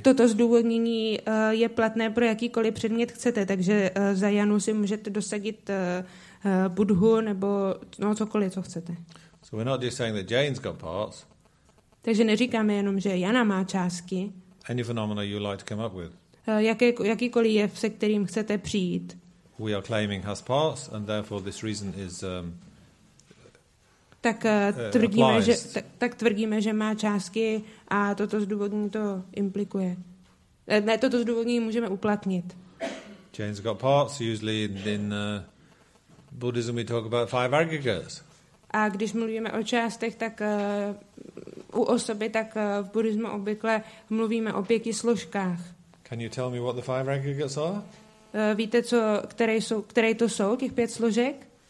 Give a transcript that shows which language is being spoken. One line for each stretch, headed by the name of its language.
Czech: toto zdůvodnění je platné pro jakýkoliv předmět chcete. Takže za Janu si můžete dosadit Budhu nebo no cokoliv, co chcete.
English: So we're not just saying that Jane's got parts.
Czech: Takže neříkáme jenom, že Jana má částky.
English: Any phenomena you like to come up with.
Czech: Jakýkoliv jev, se kterým chcete přijít.
English: We are claiming has parts, and therefore this reason is applies.
Czech: Tak tvrdíme, že má částky a toto zdůvodnění to implikuje. Ne, toto zdůvodnění můžeme uplatnit.
English: Jane's got parts, usually in Buddhism we talk about five aggregates.
Czech: A když mluvíme o částech, tak u osoby, tak v buddhismu obvykle mluvíme o pěti složkách.
English: Can you tell me what the five aggregates are?
Czech: Víte, které to jsou, těch pět složek?